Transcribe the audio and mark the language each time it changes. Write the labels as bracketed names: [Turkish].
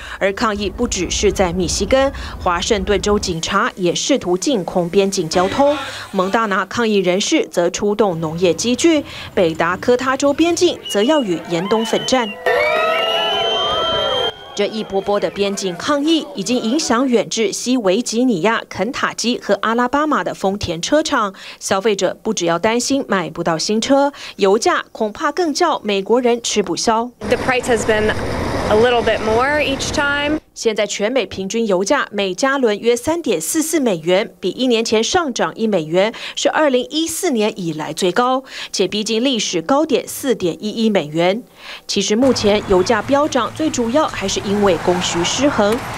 [Chinese] 而抗议不只是在密西根，华盛顿州警察也试图禁空边境交通，蒙大拿抗议人士则出动农业机具，北达科他州边境则要与严冬奋战。这一波波的边境抗议已经影响远至西维吉尼亚、肯塔基和阿拉巴马的丰田车厂，消费者不只要担心买不到新车，油价恐怕更叫美国人吃不消。 [English] The price has been a little bit more each time. [Chinese] 现在全美平均油价每加仑约3.44美元，比一年前上涨1美元，是2014年以来最高，且逼近历史高点4.11美元。其实目前油价飙涨，最主要还是因为供需失衡。